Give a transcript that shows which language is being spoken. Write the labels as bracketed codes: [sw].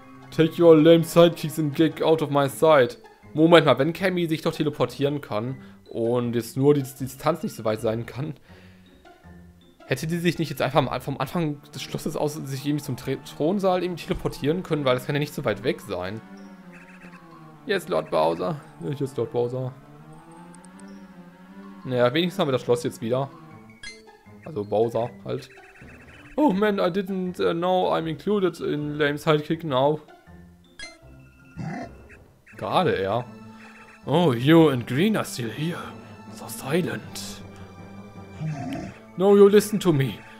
[en] Take your lame sidekicks and get out of my sight. [de] Moment mal, wenn Cammy sich doch teleportieren kann und jetzt nur die Distanz nicht so weit sein kann. Hätte die sich nicht jetzt einfach vom Anfang des Schlosses aus sich irgendwie zum Thronsaal eben teleportieren können, weil das kann ja nicht so weit weg sein. Jetzt Lord Bowser. Jetzt Lord Bowser. Naja, wenigstens haben wir das Schloss jetzt wieder. Also Bowser halt. [en] Oh man, I didn't know I'm included in Lame Sidekick now. [de] Gerade er. [en] Oh, you and Green are still here. So silent. No, you listen to me.